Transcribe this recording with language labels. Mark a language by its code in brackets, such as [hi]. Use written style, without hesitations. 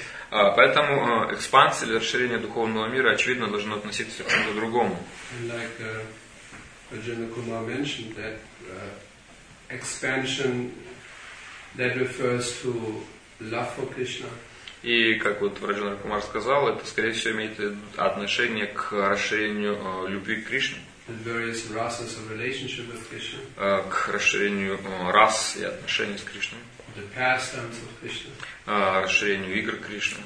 [ru] Поэтому экспансия или расширение духовного мира, очевидно, должно относиться к чему-то другому. [en] Arjuna Kumar mentioned that expansion that refers to love for Krishna. [ru] И как вот Арджуна Кумар сказал, это скорее всего имеет отношение к расширению любви к Кришне. [en] And various rasas of relationship with Krishna. [ru] К расширению рас и отношений с Кришной. [en] The pastimes of Krishna. [ru] Расширению игр Кришны.